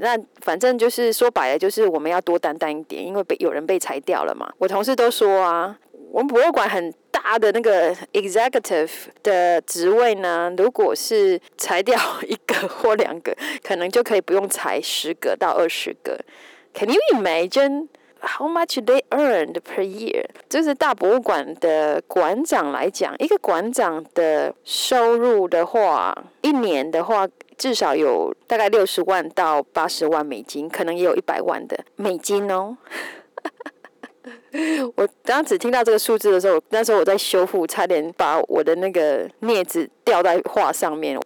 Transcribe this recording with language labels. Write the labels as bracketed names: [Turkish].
[Chinese] 那反正就是说白了，就是我们要多担当一点，因为有人被裁掉了嘛。我同事都说啊，我们博物馆很大的那个 executive 的职位呢，如果是裁掉一个或两个，可能就可以不用裁10个到20个。 [English] Can you imagine how much they earned per year? [Chinese] 就是大博物馆的馆长来讲，一个馆长的收入的话，一年的话至少有大概60万到80万美金，可能也有100万的美金哦。我当时听到这个数字的时候，那时候我在修复，差点把我的那个镊子掉在画上面。